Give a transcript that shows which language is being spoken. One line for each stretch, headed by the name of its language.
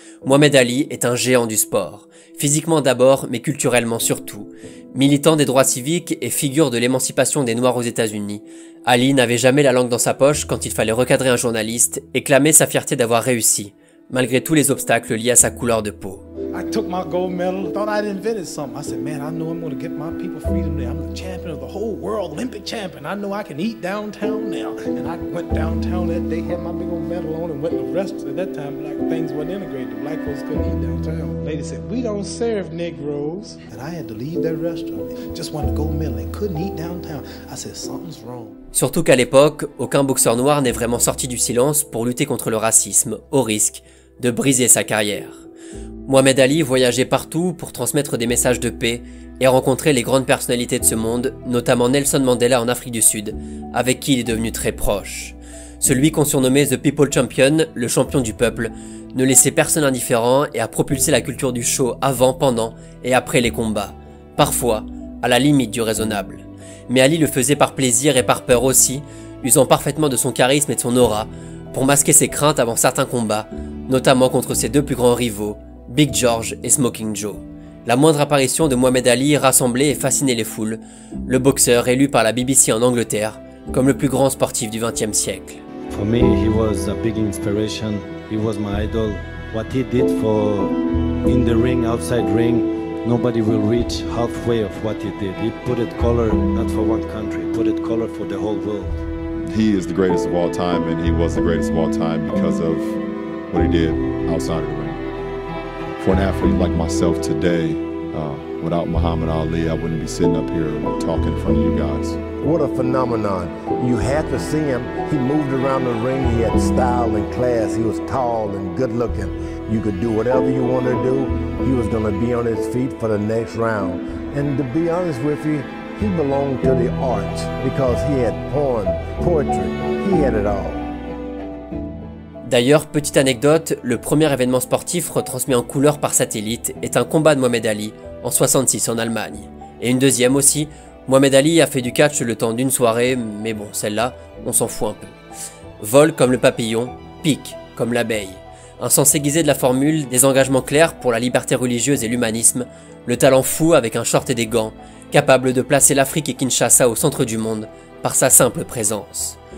French: Mohamed Ali est un géant du sport, physiquement d'abord, mais culturellement surtout. Militant des droits civiques et figure de l'émancipation des Noirs aux États-Unis, Ali n'avait jamais la langue dans sa poche quand il fallait recadrer un journaliste et clamer sa fierté d'avoir réussi, malgré tous les obstacles liés à sa couleur de peau.
English: I took my gold medal, thought I'd invented something. I said, man, I know I'm gonna get my people freedom now. I'm the champion of the whole world, Olympic champion. I know I can eat downtown now. And I went downtown that day, had my big old medal on, and went the rest of that time, black things weren't integrated. Black folks couldn't eat downtown. Lady said, we don't serve Negroes. And I had to leave that restaurant. Just wanted a gold medal and couldn't eat downtown. I said, something's wrong.
French: Surtout qu'à l'époque, aucun boxeur noir n'est vraiment sorti du silence pour lutter contre le racisme, au risque de briser sa carrière. Mohamed Ali voyageait partout pour transmettre des messages de paix et rencontrer les grandes personnalités de ce monde, notamment Nelson Mandela en Afrique du Sud, avec qui il est devenu très proche. Celui qu'on surnommait The People Champion, le champion du peuple, ne laissait personne indifférent et a propulsé la culture du show avant, pendant et après les combats, parfois à la limite du raisonnable. Mais Ali le faisait par plaisir et par peur aussi, usant parfaitement de son charisme et de son aura pour masquer ses craintes avant certains combats, notamment contre ses deux plus grands rivaux, Big George et Smoking Joe. La moindre apparition de Mohamed Ali rassemblait et fascinait les foules, le boxeur élu par la BBC en Angleterre comme le plus grand sportif du XXe siècle. Pour moi, il était une grande inspiration, il était mon idole. Ce qu'il a fait dans le ring,
English: outside ring, nobody will reach halfway of what he did. He put it color not for one country, put it color for the whole world. He is the greatest of all time, and he was the greatest of all time because of what he did outside of the ring. For an athlete like myself today, without Muhammad Ali, I wouldn't be sitting up here talking in front of you guys. What a phenomenon. You had to see him. He moved around the ring. He had style and class. He was tall and good looking. You could do whatever you wanted to do. He was going to be on his feet for the next round. And to be honest with you, he belonged to the arts because he had poetry. He had it all.
French: D'ailleurs, petite anecdote, le premier événement sportif retransmis en couleur par satellite est un combat de Mohamed Ali en 66 en Allemagne. Et une deuxième aussi, Mohamed Ali a fait du catch le temps d'une soirée, mais bon, celle-là, on s'en fout un peu. Vol comme le papillon, pique comme l'abeille. Un sens aiguisé de la formule, des engagements clairs pour la liberté religieuse et l'humanisme, le talent fou avec un short et des gants, capable de placer l'Afrique et Kinshasa au centre du monde par sa simple présence.